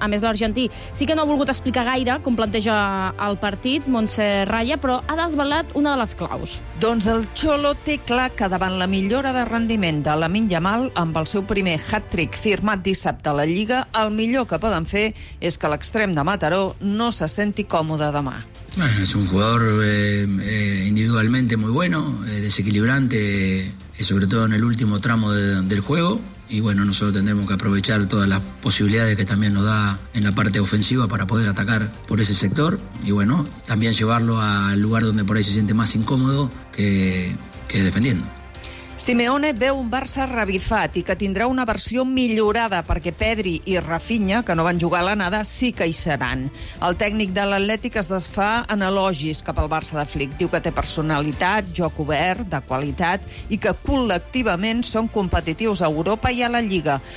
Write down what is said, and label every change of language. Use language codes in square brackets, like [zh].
[ca] A més, l'argentí sí que no ha volgut explicar gaire com planteja el partit, Montserrat Raya, però ha desvelat una de les claus. Doncs el Xolo té clar que davant la millora de rendiment de Lamine Yamal, amb el seu primer hat-trick firmat dissabte a la Lliga, el millor que poden fer és que l'extrem de Mataró no se senti còmode demà. [es] Bueno, es un jugador individualmente muy bueno, desequilibrante, sobre todo en el último tramo del juego. Y bueno, nosotros tendremos que aprovechar todas las posibilidades que también nos da en la parte ofensiva para poder atacar por ese sector. Y bueno, también llevarlo al lugar donde por ahí se siente más incómodo que defendiendo. [ca] Simeone veu un Barça revifat i que tindrà una versió millorada perquè Pedri i Rafinha, que no van jugar a l'anada, sí que hi seran. El tècnic de l'Atlètic es desfà en elogis cap al Barça de Flick. Diu que té personalitat, joc obert, de qualitat i que col·lectivament són competitius a Europa i a la Lliga.